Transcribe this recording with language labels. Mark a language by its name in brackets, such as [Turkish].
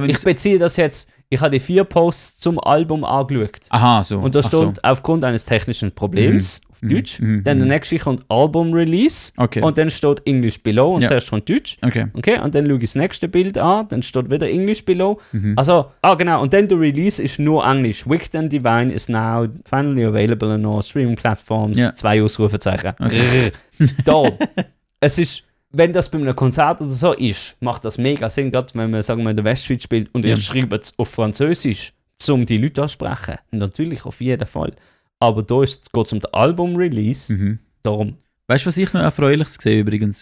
[German] Nein, ich beziehe das jetzt, ich habe die 4 Posts zum Album angeschaut. Aha, so. Und da steht so. Aufgrund eines technischen Problems auf Deutsch, dann der nächste kommt Album Release und dann steht [English] English below [German] und zuerst kommt Deutsch. Okay, und dann schaue ich das nächste Bild an, dann steht wieder [English] English below. [German] Mhm. Also, genau, und dann der Release ist nur Englisch. [English] Wicked and Divine is now finally available on all streaming platforms. Yeah. [German] 2 Ausrufezeichen. Okay. Da, es ist... Wenn das bei einem Konzert oder so ist, macht das mega Sinn, gerade wenn man, sagen wir, in der Westschweiz spielt und ihr schreibt es auf Französisch, um die Leute ansprechen. Natürlich, auf jeden Fall. Aber da geht es um den Album-Release. Mhm. Darum. Weißt du, was ich noch erfreulich sehe übrigens?